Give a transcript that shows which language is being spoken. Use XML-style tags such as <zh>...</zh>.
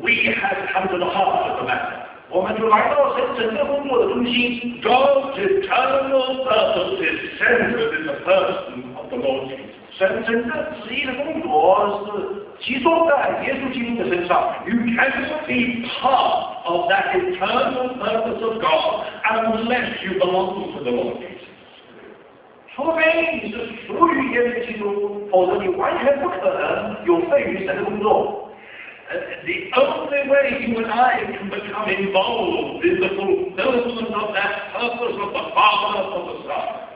<en>we have come to the heart of the matter.</en> <zh>我们就来到神整个工作的中心,</zh> <en>God's eternal purpose is centered in the person of the Lord Jesus.</en> <zh>神整个旨意的工作是集中在耶稣基督的身上。</zh> <en>You cannot be part of that eternal purpose of God unless you belong to the Lord Jesus.</en> <zh>除非你是属于耶稣基督，否则你完全不可能有份于神的工作。</zh> <en>The only way you and I can become involved in the fulfillment of that purpose of the Father and of the Son.</en>